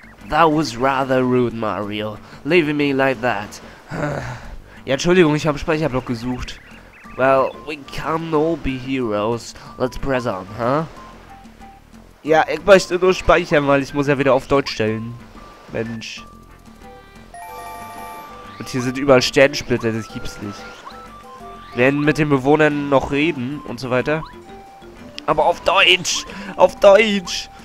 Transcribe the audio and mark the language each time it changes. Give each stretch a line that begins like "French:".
English: That was rather rude, Mario. Leaving me like that.
German: Ja, Entschuldigung, ich habe Speicherblock gesucht.
English: Well, we can't all be heroes. Let's press on, huh?
German: Ja, ich möchte nur speichern, weil ich muss ja wieder auf Deutsch stellen. Mensch. Und hier sind überall Sternensplitter, das gibt's nicht. Wir werden mit den Bewohnern noch reden und so weiter. Aber auf Deutsch! Auf Deutsch!